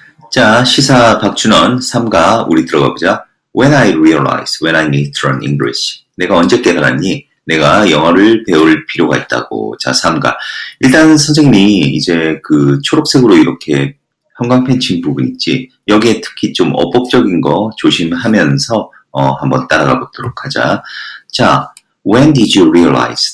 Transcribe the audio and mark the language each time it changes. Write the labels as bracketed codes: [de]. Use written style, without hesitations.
[ko] 자, 시사 박준원 3가 우리 들어가 보자. [en] When I realize, when I need to learn English. [ko] 내가 언제 깨달았니? 내가 영어를 배울 필요가 있다고. 자, 3가. 일단 선생님이 이제 그 초록색으로 이렇게 형광펜 친 부분 있지. 여기에 특히 좀 어법적인 거 조심하면서 한번 따라가 보도록 하자. [en] 자, When did you realize?